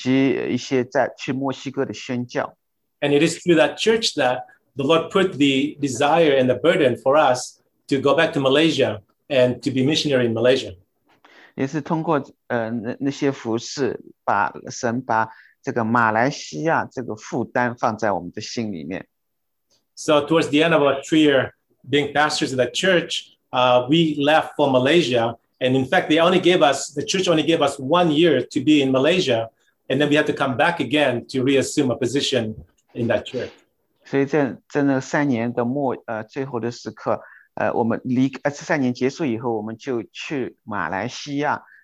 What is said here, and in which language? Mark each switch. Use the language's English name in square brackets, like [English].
[Chinese] 以及通过在兰里的那个教会，我们带领了很多年轻人认识主，以及一些在去墨西哥的宣教。 [English] And it is through that church that the Lord put the desire and the burden for us to go back to Malaysia and to be missionary in Malaysia. [Chinese] 也是通过那些服事，把神把这个马来西亚这个负担放在我们的心里面。 [English] So towards the end of our 3 year being pastors of that church, we left for Malaysia, and in fact, the church only gave us 1 year to be in Malaysia, and then we had to come back again to reassume a position in that church. [Chinese] 所以在那3年的末最后的时刻，我们离3年结束以后，我们就去马来西亚。